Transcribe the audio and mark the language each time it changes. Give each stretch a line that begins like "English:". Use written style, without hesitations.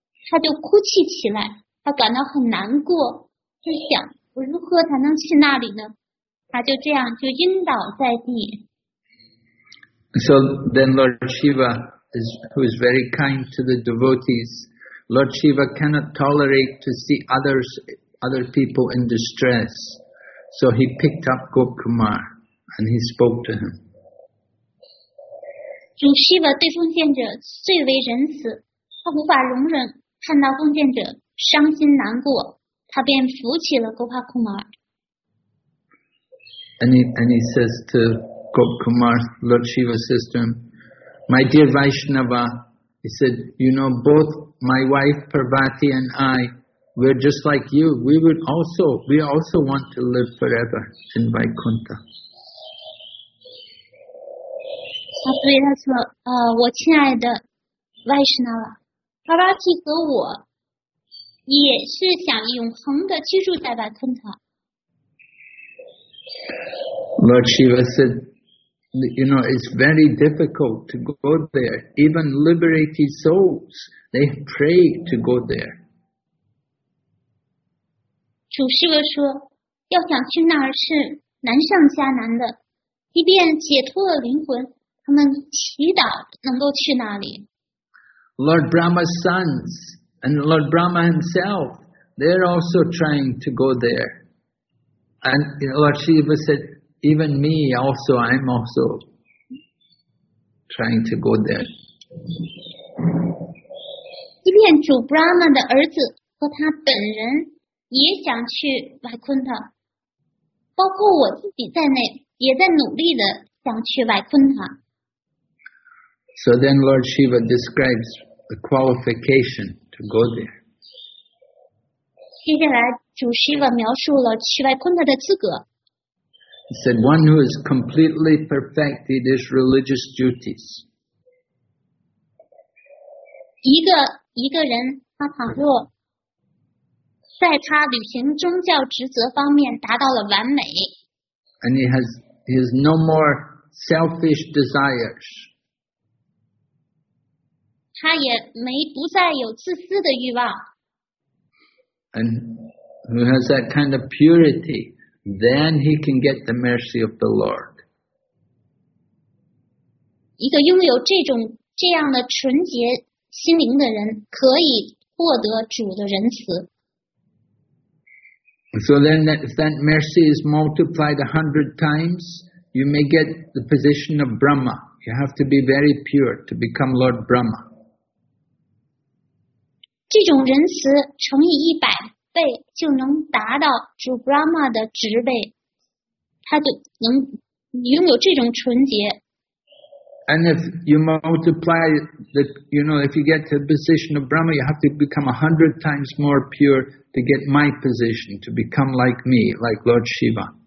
Chinese: 他就哭泣起来，他感到很难过，就想我如何才能去那里呢？他就这样就晕倒在地。
English: So then Lord Shiva, who is very kind to the devotees, Lord Shiva cannot tolerate to see other people in distress. So he picked up Gop Kumar and he spoke to him.
Chinese: 主 Shiva 对奉献者最为仁慈，他无法容忍看到奉献者伤心难过，他便扶起了 Gop Kumar.
English: And he says to Gop Kumar, Lord Shiva says to him, my dear Vaishnava, he said, you know, both my wife Parvati and I, we're just like you. We also want to live forever in Vaikuntha.
Chinese: 他对他说，我亲爱的 Vaishnava. 巴巴提和我也是想永恒地居住在白昆塔。
English: Lord Shiva said, you know, it's very difficult to go there. Even liberated souls, they pray to go there.
Chinese: 主 Shiva 说，要想去那儿是难上加难的，即便解脱了灵魂，他们祈祷能够去那里。
English: Lord Brahma's sons and Lord Brahma himself, they're also trying to go there. And Lord Shiva said, even me also, I'm also trying to go there.
Chinese: 即便主 Brahma 的儿子和他本人也想去 Vaikuntha, 包括我自己在内也在努力地想去 Vaikuntha.
English: So then Lord Shiva describes the qualification to go there.
Chinese: 接下来主 Shiva 描述了去外昆特的资格。
English: He said, one who has completely perfected his religious duties.
Chinese: 一个人他倘若在他履行宗教职责方面达到了完美。
English: And he has no more selfish desires.
Chinese: 他也没不再有自私的欲望。
English: And who has that kind of purity, then he can get the mercy of the Lord.
Chinese: 一个拥有这样的纯洁心灵的人可以获得主的仁慈。
English: So then if that mercy is multiplied 100 times, you may get the position of Brahma. You have to be very pure to become Lord Brahma.
Chinese: 这种仁慈乘以100倍就能达到主 Brahma 的职位，他就能拥有这种纯洁。
English: And if you multiply the, you know, if you get to the position of Brahma, you have to become 100 times more pure to get my position, to become like me, like Lord Shiva.